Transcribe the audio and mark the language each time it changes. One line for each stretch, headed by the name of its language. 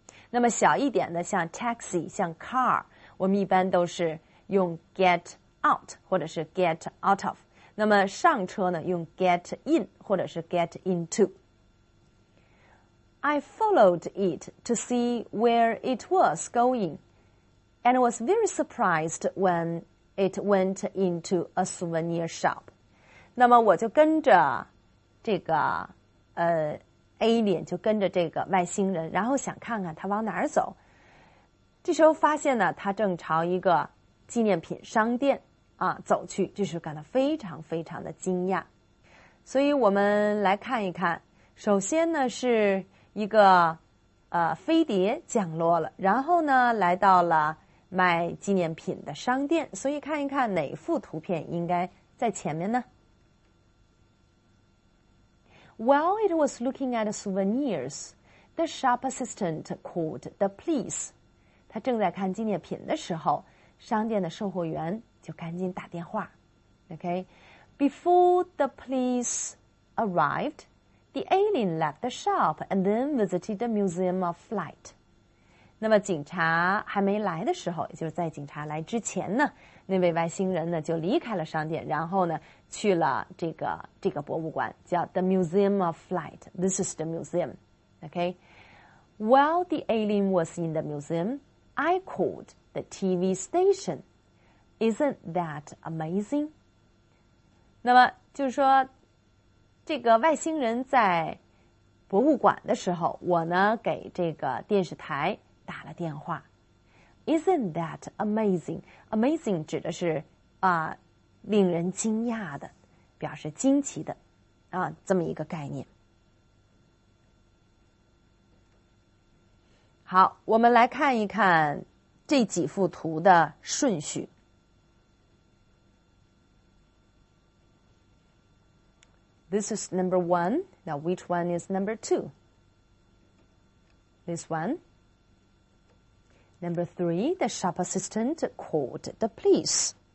Chinese: 那么小一点的像 taxi 像 car， 我们一般都是用 get out 或者是 get out of， 那么上车呢用 get in 或者是 get into。
English: I followed it to see where it was going and was very surprised when it went into a souvenir shop。
Chinese: 那么我就跟着这个Alien 就跟着这个外星人，然后想看看他往哪儿走。这时候发现呢，他正朝一个纪念品商店啊走去，这时候感到非常非常的惊讶。所以我们来看一看，首先呢是一个飞碟降落了，然后呢来到了卖纪念品的商店。所以看一看哪幅图片应该在前面呢？
English: While it was looking at souvenirs, the shop assistant called the police.
Chinese: 他正在看纪念品的时候，商店的售货员就赶紧打电话。
English: Okay? Before the police arrived, the alien left the shop and then visited the Museum of Flight.
Chinese: 那么警察还没来的时候，也就是在警察来之前呢，那位外星人呢就离开了商店，然后呢去了这个博物馆，叫
English: The Museum of Flight. This is the museum. Okay. While the alien was in the museum, I called the TV station. Isn't that amazing?
Chinese: 那么就是说，这个外星人在博物馆的时候，我呢给这个电视台打了电话。
English: Isn't that amazing?
Chinese: Amazing 指的是令人惊讶的，表示惊奇的这么一个概念。好，我们来看一看这几幅图的顺序。
English: This is number one. Now which one is number two? This one. Number three, the shop assistant called the police.